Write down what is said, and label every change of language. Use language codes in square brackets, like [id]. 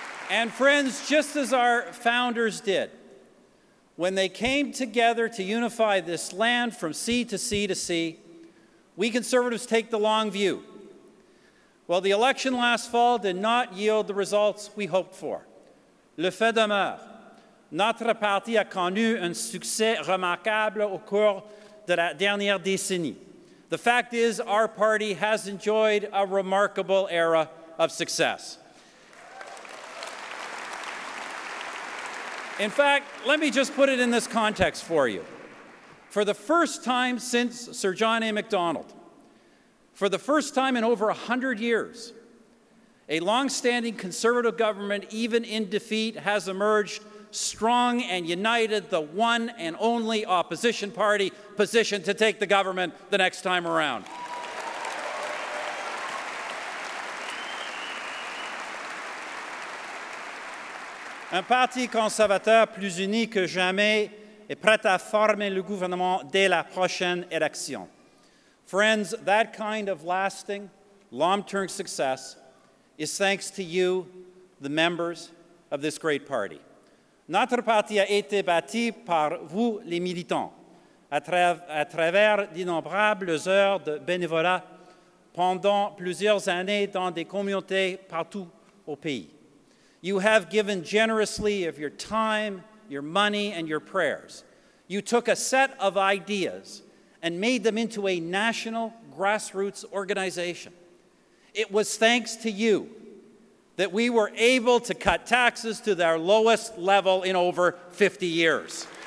[en] And friends, just as our founders did, when they came together to unify this land from sea to sea to sea, we Conservatives take the long view. Well, the election last fall did not yield the results we hoped for. [fr] Le fait demeure, notre parti a connu un succès remarquable au cours de la dernière décennie. [en] The fact is, our party has enjoyed a remarkable era of success. In fact, let me just put it in this context for you. For the first time since Sir John A. Macdonald, for the first time in over 100 years, a long-standing Conservative government, even in defeat, has emerged strong and united the one and only opposition party positioned to take the government the next time around. [fr] Un parti conservateur plus uni que jamais est prêt à former le gouvernement dès la prochaine élection. [en] Friends, that kind of lasting, long-term success is thanks to you, the members of this great party. [fr] Notre parti a été bâti par vous, les militants, à travers d'innombrables heures de bénévolat pendant plusieurs années dans des communautés partout au pays. [en] You have given generously of your time, your money, and your prayers. You took a set of ideas and made them into a national grassroots organization. It was thanks to you that we were able to cut taxes to their lowest level in over 50 years.